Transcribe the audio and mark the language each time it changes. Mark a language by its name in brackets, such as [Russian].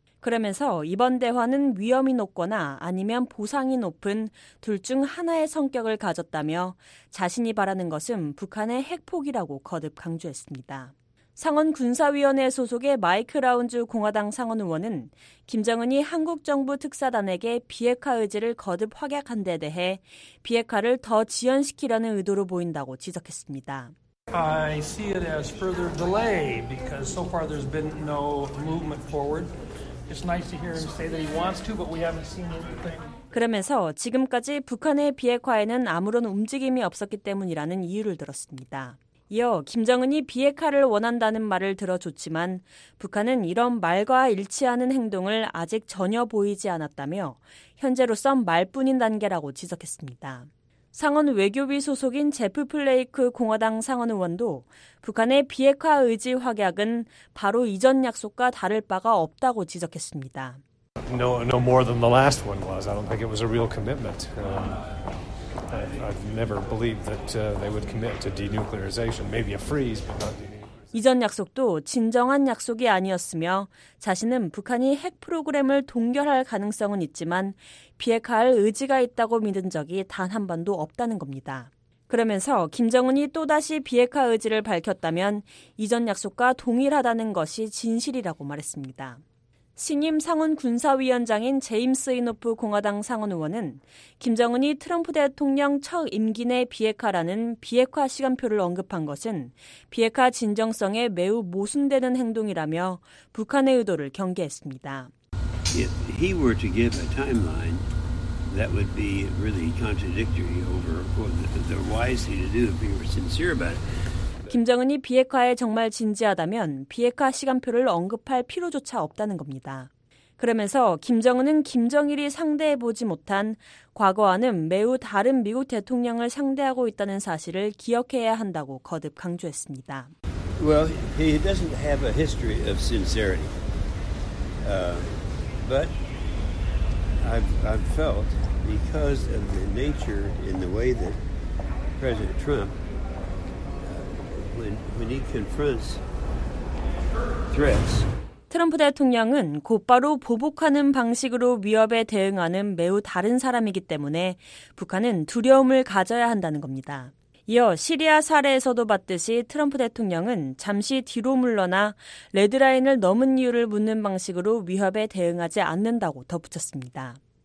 [Korean] 그러면서 이번 대화는 위험이 높거나 아니면 보상이 높은 둘 중 하나의 성격을 가졌다며 자신이 바라는 것은 북한의 핵폭이라고 거듭 강조했습니다. 상원 군사위원회 소속의 마이크 라운즈 공화당 상원 의원은 김정은이 한국 정부 특사단에게 비핵화 의지를 거듭 확약한 데 대해 비핵화를 더 지연시키려는 의도로 보인다고 지적했습니다. [English] I see it as further delay because so far there's been no movement forward. It's nice to hear him say that he wants to, but we haven't seen anything. [Korean] 그러면서 지금까지 북한의 비핵화에는 아무런 움직임이 없었기 때문이라는 이유를 들었습니다. 이어 김정은이 비핵화를 원한다는 말을 들어 좋지만 북한은 이런 말과 일치하는 행동을 아직 전혀 보이지 않았다며 현재로선 말뿐인 단계라고 지적했습니다. 상원 외교비 소속인 제프 플레이크 공화당 상원 의원도 북한의 비핵화 의지 확약은 바로 이전 약속과 다를 바가 없다고 지적했습니다. [English] No, no more than the last one was. I don't think it was a real commitment. I've never believed that they would commit to denuclearization. Maybe a freeze, but not denuclearization. [Korean] 이전 약속도 진정한 약속이 아니었으며 자신은 북한이 핵 프로그램을 동결할 가능성은 있지만 비핵화할 의지가 있다고 믿은 적이 단 한 번도 없다는 겁니다. 그러면서 김정은이 또다시 비핵화 의지를 밝혔다면 이전 약속과 동일하다는 것이 진실이라고 말했습니다. 신임 상원 군사위원장인 제임스 이노프 공화당 상원 의원은 김정은이 트럼프 대통령 첫 임기 내 비핵화라는 비핵화 시간표를 언급한 것은 비핵화 진정성에 매우 모순되는 행동이라며 북한의 의도를 경계했습니다. [English] If he were to give a timeline, that would be really contradictory over the wise thing to do if he were sincere about it. [Korean] 김정은이 비핵화에 정말 진지하다면 비핵화 시간표를 언급할 필요조차 없다는 겁니다. 그러면서 김정은은 김정일이 상대해보지 못한 과거와는 매우 다른 미국 대통령을 상대하고 있다는 사실을 기억해야 한다고 거듭 강조했습니다. [English] Well, he doesn't have a history of sincerity. But I've felt because of the nature in the way that President Trump When he confronts threats. [Korean] 트럼프 대통령은 곧바로 보복하는 방식으로 위협에 대응하는 매우 다른 사람이기 때문에 북한은 두려움을 가져야 한다는 겁니다. 이어 시리아 사례에서도 봤듯이 트럼프 대통령은 잠시 뒤로 물러나 레드라인을 넘은 이유를 묻는 방식으로 위협에 대응하지 않는다고 덧붙였습니다.